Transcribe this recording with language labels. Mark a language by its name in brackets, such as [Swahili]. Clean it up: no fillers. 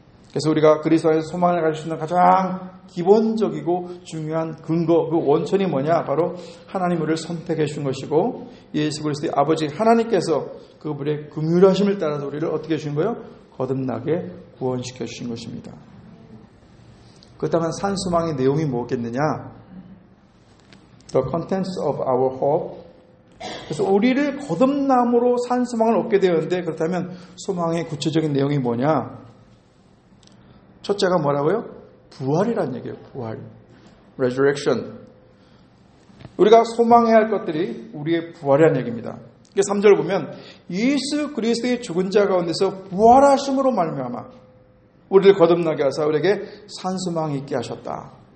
[Korean] 그래서 우리가 그리스도 안에서 소망을 가질 수 있는 가장 기본적이고 중요한 근거, 그 원천이 뭐냐? 바로 하나님 우리를 선택해 주신 것이고 예수 그리스도의 아버지 하나님께서 그분의 긍휼하심을 따라서 우리를 어떻게 주신 거예요? 거듭나게 구원시켜 주신 것입니다. 그렇다면 산소망의 내용이 뭐겠느냐? [English] The contents of our hope. [Korean] 그래서 우리를 거듭남으로 산소망을 얻게 되었는데 그렇다면 소망의 구체적인 내용이 뭐냐? 첫째가 뭐라고요? 부활이라는 얘기예요. 부활. Resurrection. 우리가 소망해야 할 것들이 우리의 부활이라는 얘기입니다. 3절을 보면 예수 그리스도의 죽은 자 가운데서 부활하심으로 말미암아 우리를 거듭나게 하사 우리에게 산소망이 있게 하셨다.